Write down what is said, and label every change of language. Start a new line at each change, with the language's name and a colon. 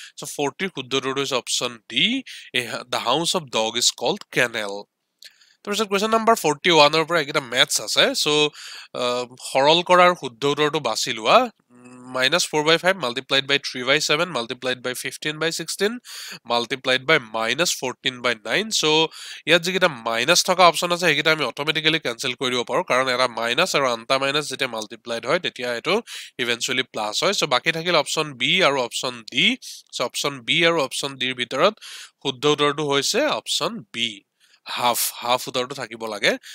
Assamese: চ' 40ৰ শুদ্ধ উত্তৰটো হৈছে option D,
English: The house of dog is called kennel.
Assamese: তাৰপিছত কুৱেশ্যন নাম্বাৰ 41ৰ পৰা এইকেইটা মেথছ আছে। চ' সৰল কৰাৰ শুদ্ধ উত্তৰটো বাছি লোৱা।
English: -4/5 multiplied by 3/7 multiplied by 15/16 multiplied by -14/9।
Assamese: চ' ইয়াত যিকেইটা মাইনাছ থকা অপশ্যন আছে সেইকেইটা আমি অট'মেটিকেলি কেঞ্চেল কৰি দিব পাৰোঁ, কাৰণ এটা মাইনাছ আৰু আনটা মাইনাছ যেতিয়া মাল্টিপ্লাইড হয় তেতিয়া এইটো ইভেনচুৱেলি প্লাছ হয়। চ' বাকী থাকিল অপশ্যন বি আৰু অপশ্যন ডি। চ' অপশ্যন বি আৰু অপশ্যন ডিৰ ভিতৰত শুদ্ধ উত্তৰটো হৈছে অপশ্যন বি, হাফ হাফ উত্তৰটো থাকিব লাগে।